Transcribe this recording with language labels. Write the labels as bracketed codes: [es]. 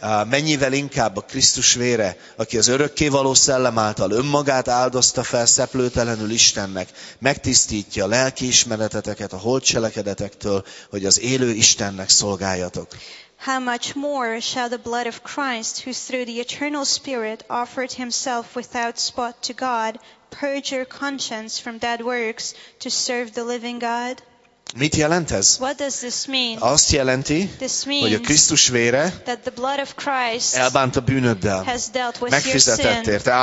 [hu] Mennyivel inkább a Krisztus vére, aki az örökkévaló szellem által önmagát áldozta fel szeplőtelenül Istennek, megtisztítja a lelkiismereteteket a holt cselekedetektől, hogy az élő Istennek szolgáljatok. [en] How much more shall the blood of Christ, who through the eternal Spirit offered himself without spot to God, purge your conscience from dead works to serve the living God? [hu] Mit jelent ez? [en] What does this mean? [hu] Azt jelenti, hogy a Krisztus vére elbánt a bűnöddel, megfizetett érte.